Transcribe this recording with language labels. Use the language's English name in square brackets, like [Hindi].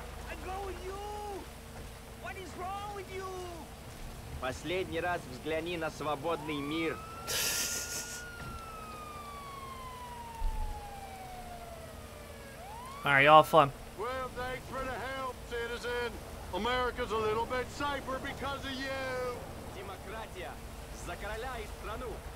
[English] I go with you. What is wrong with you? [Russian] Последний раз взгляни на свободный мир. [English] All right, y'all, fun. Well, thanks for the help, citizen. America's a little bit safer because of you. [Russian] Демократия за короля и страну.